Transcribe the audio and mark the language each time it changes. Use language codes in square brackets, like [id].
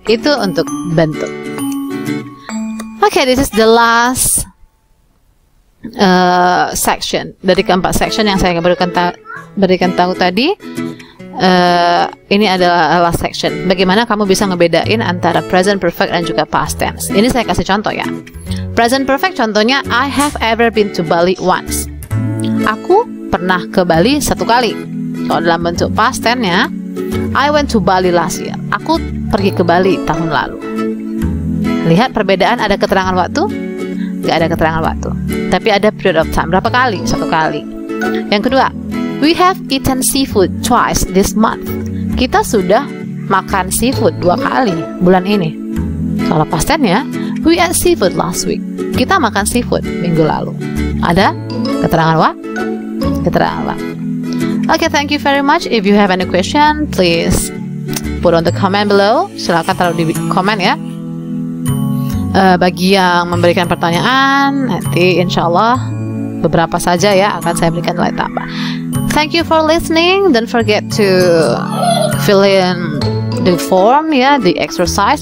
[id] Itu untuk bentuk. [en] Okay, this is the last section [id] dari keempat section yang saya berikan tahu tadi. Ini adalah last section. Bagaimana kamu bisa ngebedain antara present perfect dan juga past tense? Ini saya kasih contoh ya. [en] Present perfect contohnya, I have ever been to Bali once. [id] Aku pernah ke Bali 1 kali. Kalau dalam bentuk past tense-nya, [en] I went to Bali last year. [id] Aku pergi ke Bali tahun lalu. Lihat perbedaan, ada keterangan waktu? Gak ada keterangan waktu. Tapi ada period of time. Berapa kali? 1 kali. Yang kedua, [en] we have eaten seafood twice this month. [id] Kita sudah makan seafood 2 kali bulan ini. Kalau pastennya, [en] we ate seafood last week. [id] Kita makan seafood minggu lalu. Ada? Keterangan wa? Keterangan wa. [en] Okay, thank you very much. If you have any question, please put on the comment below. [id] Silakan taruh di comment ya. Bagi yang memberikan pertanyaan, nanti insyaallah beberapa saja ya akan saya berikan nilai tambah. [en] Thank you for listening. Don't forget to fill in the form ya, the exercise.